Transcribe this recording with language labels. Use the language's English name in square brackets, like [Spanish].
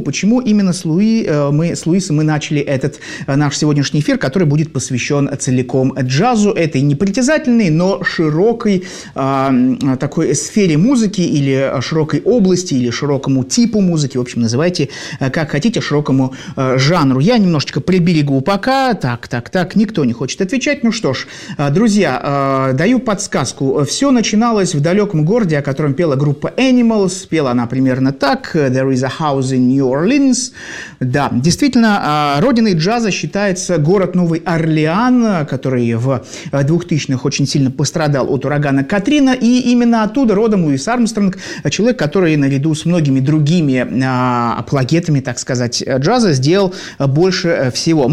[Russian] Почему именно с Луи, мы, с Луисом мы начали этот наш сегодняшний эфир, который будет посвящен целиком джазу, этой непритязательной, но широкой такой сфере музыки или широкой области, или широкому типу музыки, в общем, называйте как хотите, широкому жанру. Я немножечко приберегу пока. Так, никто не хочет отвечать. Ну что ж, друзья, даю подсказку. Все начиналось в далеком городе, о котором пела группа Animals. Пела она примерно так. [English] There is a house in New Orleans. [Russian] Да, действительно, родиной джаза считается город Новый Орлеан, который в 2000-х очень сильно пострадал от урагана Катрина. И именно оттуда родом Луис Армстронг, человек, который наряду с многими другими апологетами, так сказать, джаза, сделал больше всего.